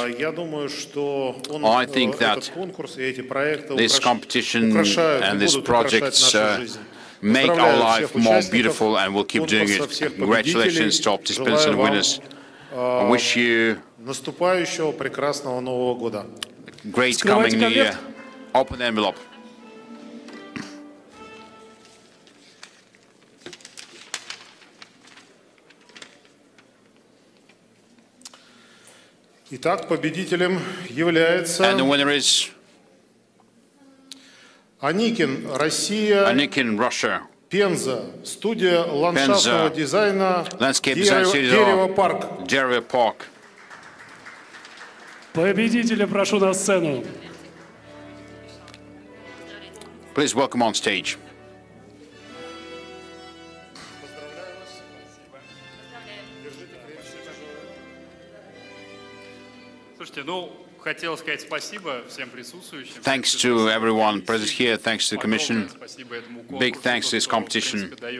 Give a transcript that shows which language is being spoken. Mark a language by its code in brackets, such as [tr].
[en] I think that this competition and these projects make our life more beautiful and we'll keep doing it. Congratulations to all participants and winners. I wish you [ru] наступающего прекрасного Нового года. [en] Great coming new year. Open the envelope. [ru] Итак, победителем является [en] And the winner is [ru] Аникин, Россия. [en] Аникин, Russia. [ru] Пенза, студия ландшафтного дизайна Дерево парк. Дерево парк. Победителя прошу на сцену. [en] Please welcome on stage. [ru] Слушайте, ну, хотел сказать спасибо всем присутствующим. [en] Thanks to everyone present here, thanks to the commission. Big thanks to this competition.